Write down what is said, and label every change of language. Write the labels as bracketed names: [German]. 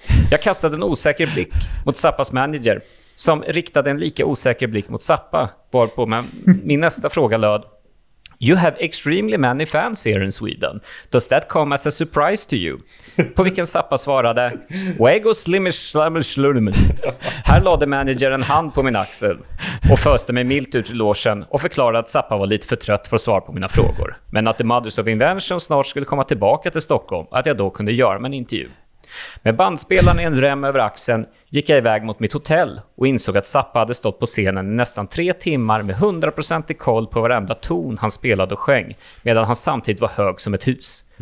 [Swedish] Jag kastade en osäker blick mot Zappas manager, som riktade en lika osäker blick mot Zappa, varpå min nästa fråga löd: [English] "You have extremely many fans here in Sweden. Does that come as a surprise to you?" [Swedish] På vilken Zappa svarade: "Wego slimish slimish lulimish." Här lade manager en hand på min axel och föste mig milt ut i logen och förklarade att Zappa var lite för trött för att svara på mina frågor, men att The Mothers of Invention snart skulle komma tillbaka till Stockholm, att jag då kunde göra en intervju. Med bandspelaren i en rem över axeln gick jag iväg mot mitt hotell och insåg att Zappa hade stått på scenen i nästan 3 timmar med 100% koll på varenda ton han spelade och sjöng, medan han samtidigt var hög som ett hus.